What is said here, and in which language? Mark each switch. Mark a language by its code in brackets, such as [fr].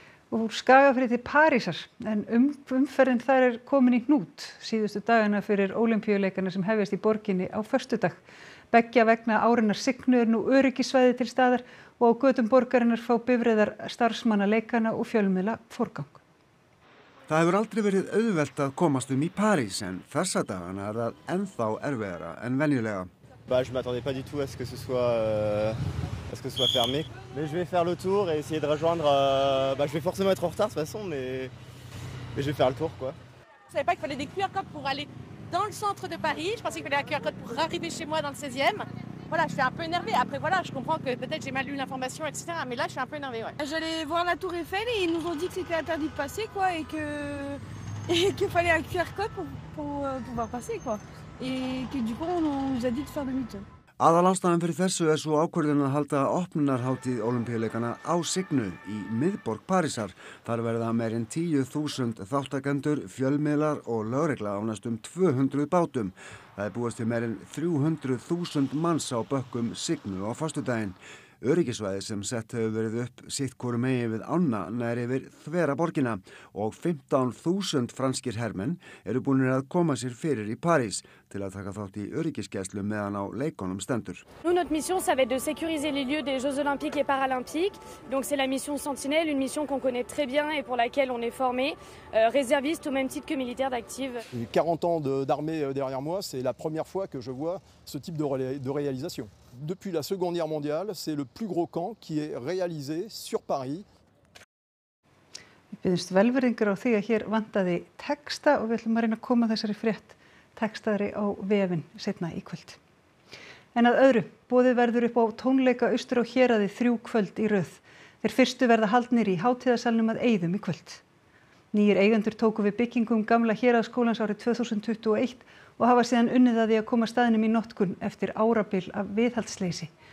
[is] Og úr Skagafirði til Parísar, en umferðin þar komin í hnút síðustu dagana fyrir ólympíuleikana sem hefjast í borginni á föstudag. Beggja vegna árinnar signu nú öryggisvæði til staðar og á götum borgarinnar fá bifreiðar starfsmanna leikana og fjölmiðla forgang. Það hefur aldrei verið auðvelt að komast í París, en þessa dagana það ennþá erfiðara en venjulega. [fr] Bah, je m'attendais pas du tout à ce que ce soit fermé. Mais je vais faire le tour et essayer de rejoindre bah je vais forcément être en retard de toute façon mais je vais faire le tour quoi. Je savais pas qu'il fallait des QR codes pour aller dans le centre de Paris, je pensais qu'il fallait un QR code pour arriver chez moi dans le 16e. Voilà, je suis un peu énervée. Après voilà, je comprends que peut-être j'ai mal lu l'information etc. mais là je suis un peu énervée ouais. J'allais voir la Tour Eiffel et ils nous ont dit que c'était interdit de passer quoi et qu'il fallait un QR code pour pouvoir passer quoi. [is] Aðalástæðan fyrir þessu svo ákvörðun að halda opnunarhátíð Ólympíuleikana á Signu í miðborg Parísar. Þar verða meir en 10.000 þáttakendur, fjölmiðlar og lögregla á næstum 200 bátum. Það búast við meir en 300.000 manns á bökkum Signu á föstudaginn. Öryggisvæði sem sett hefur verið upp sitt hvoru megin við ána nær yfir þvera borgina og 15.000 franskir hermenn eru búnir að koma sér fyrir í París til að taka þátt í öryggisgæslu meðan á leikunum stendur. [fr] Nous notre mission ça va être de sécuriser les lieux des Jeux olympiques et paralympiques. Donc c'est la mission Sentinelle, une mission qu'on connaît très bien et pour laquelle on est formé, réserviste au même titre que militaire d'active. 40 ans d'armée derrière moi, c'est la première fois que je vois ce type de réalisation. Depuis la Seconde Guerre mondiale, c'est le plus gros camp qui est réalisé sur Paris. [is] Biðst velvirðingar á því að hér vantaði texta og við ætlum að reyna að koma þessari frétt textaðri á vefinn seinna í kvöld. En að öðru, boðið verður upp á tónleika austur á héraði þrjú kvöld í röð. Þeir fyrstu verða haldnir í hátíðasalnum að Eiðum í kvöld. Nýir eigendur tóku við byggingum gamla héraðskólans árið 2021 og hafa síðan unnið að því að koma staðinum í notkun eftir árabil af viðhaldsleysi.